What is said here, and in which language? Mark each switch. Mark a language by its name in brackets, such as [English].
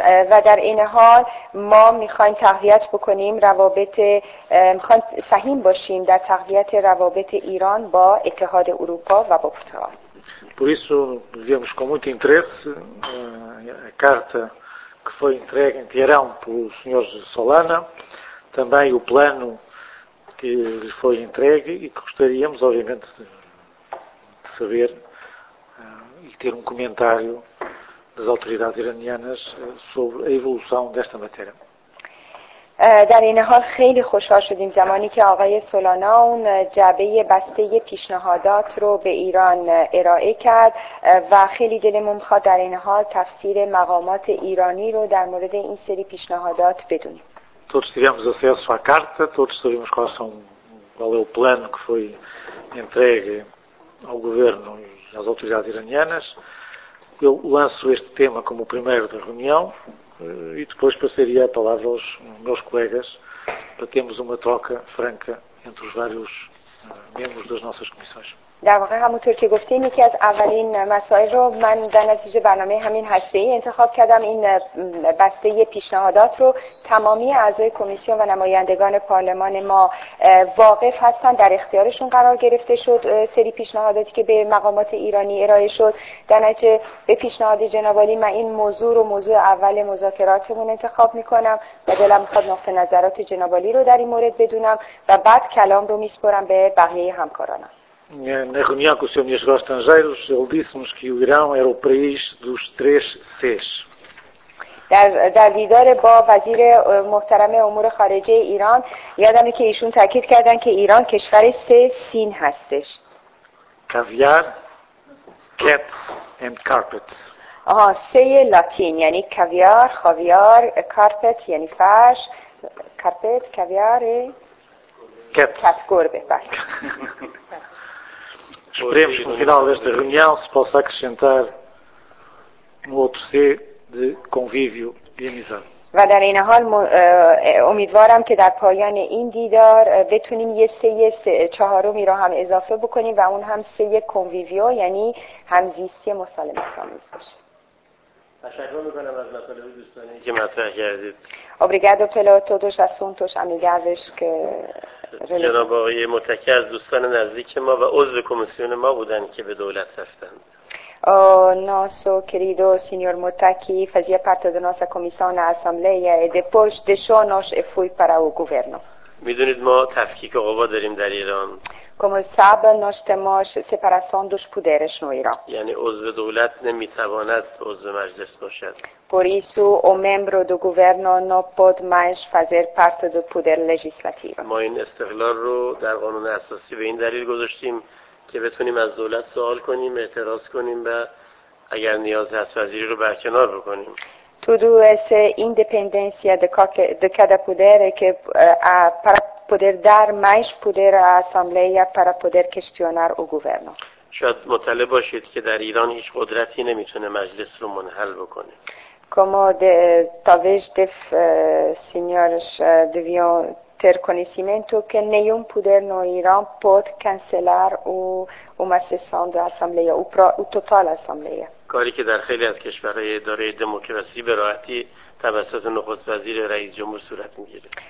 [Persian] و در این حال ما میخوایم تقویت بکنیم روابط، میخوایم سهیم باشیم در تقویت روابط ایران با اتحاد اروپا و با پرتغال. [Portuguese] Por isso vemos com muito interesse a carta que foi entregue em Teherão pelo Sr. Solana, também o plano que lhe foi entregue e que gostaríamos, obviamente, de saber e ter um comentário das autoridades iranianas sobre a evolução desta matéria. [Persian] در این حال خیلی خوشحال شدیم زمانی که آقای سولانا اون جعبه بسته پیشنهادات رو به ایران ارائه کرد و خیلی دلمون می‌خواد در این حال تفسیر مقامات ایرانی رو در مورد این سری پیشنهادات بدونیم. [Portuguese] Todos tivemos acesso à carta, todos sabemos qual é o plano que foi entregue ao governo e e às autoridades iranianas. Eu lanço este tema como o primeiro da reunião e depois passaria a palavra aos meus colegas para termos uma troca franca entre os vários membros das nossas comissões. [Persian] در واقع همونطور که گفتین یکی از اولین مسائل رو من در نتیجه برنامه همین هسته‌ای انتخاب کردم، این بسته پیشنهادات رو تمامی اعضای کمیسیون و نمایندگان پارلمان ما واقف هستن، در اختیارشون قرار گرفته شد سری پیشنهاداتی که به مقامات ایرانی ارائه شد. در نتیجه به پیشنهاد جناب عالی من این موضوع رو موضوع اول مذاکراتمون انتخاب میکنم و دلم میخواد نقطه نظرات جناب عالی رو در این مورد بدونم و بعد کلام رو میسپرم به بقیه همکارانم. [Portuguese] Na reunião com o Sr. Ministro dos Estrangeiros, ele disse-nos que o Irão era o país dos três Cs. [Persian] در دیدار با وزیر محترم امور خارجه ایران یادم که ایشون تاکید کردن که ایران کشور سه سین هستش. [English] Caviar, cats and carpet. [Persian] آها، سه لاتین یعنی کاویار، خاویار، کارپت یعنی فرش، کارپت، کاویار، [English] cats. [Persian] Cat گربه، بله. [Portuguese] Esperemos que no final desta reunião se possa acrescentar um outro C de convívio e amizade. [Persian] و در این حال امیدوارم که در پایان این دیدار بتونیم یه سه چهارمی رو هم اضافه بکنیم و اون هم سه کنویویو یعنی همزیستی مسالمت آمیز باشه. تشکر میکنم از مطالب دوستانی که مطرح کردید. [Portuguese] Obrigado pelo todos os assuntos amigáveis que [Persian] جناب آقای متکی از دوستان نزدیک ما و عضو کمیسیون ما بودند که به دولت رفتند. [Portuguese] O nosso querido senhor Motaki fazia parte da nossa comissão na assembleia e depois deixou-nos e foi para o governo. [Persian] میدونید ما تفکیک قوا داریم در ایران. [Portuguese] Como sabe, nós temos separação dos poderes no Irã. [Persian] یعنی عضو دولت نمیتواند عضو مجلس باشد. [Portuguese] Por isso, o membro do governo não pode mais fazer parte do poder legislativo. [Persian] ما این استقلال رو در قانون اساسی به این دلیل گذاشتیم که بتونیم از دولت سوال کنیم، اعتراض کنیم و اگر نیاز هست وزیری رو برکنار بکنیم. [Portuguese] Tudo essa independência de cada poder é que para poder dar mais poder à Assembleia para poder questionar o governo. [Persian] شاید مطلب باشید که در ایران هیچ قدرتی نمیتونه مجلس رو منحل بکنه. [Portuguese] Como talvez senhores deviam ter conhecimento que nenhum poder no Irã pode cancelar uma sessão da Assembleia, o total Assembleia. [Persian] کاری که در خیلی از کشورهای اداره دموکراسی به راحتی توسط نخست وزیر رئیس جمهور صورت میگیره.